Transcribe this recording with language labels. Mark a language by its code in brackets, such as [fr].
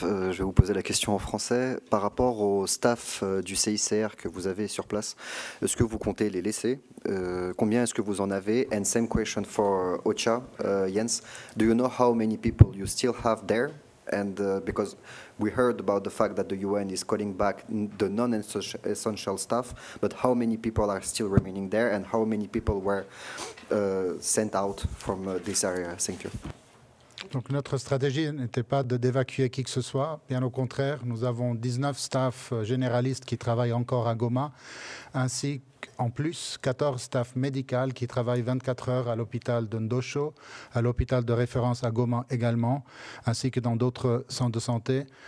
[fr] Je vais vous poser la question en français. Par rapport au staff du CICR que vous avez sur place, est-ce que vous comptez les laisser? Combien est-ce que vous en avez? [en] And same question for OCHA, Jens. Do you know how many people you still have there? And because we heard about the fact that the UN is calling back the non-essential staff, but how many people are still remaining there and how many people were sent out from this area? Thank you. [fr] Donc notre stratégie n'était pas d'évacuer qui que ce soit, bien au contraire, nous avons 19 staffs généralistes qui travaillent encore à Goma, ainsi qu'en plus 14 staffs médicaux qui travaillent 24 heures à l'hôpital de Ndosho, à l'hôpital de référence à Goma également, ainsi que dans d'autres centres de santé.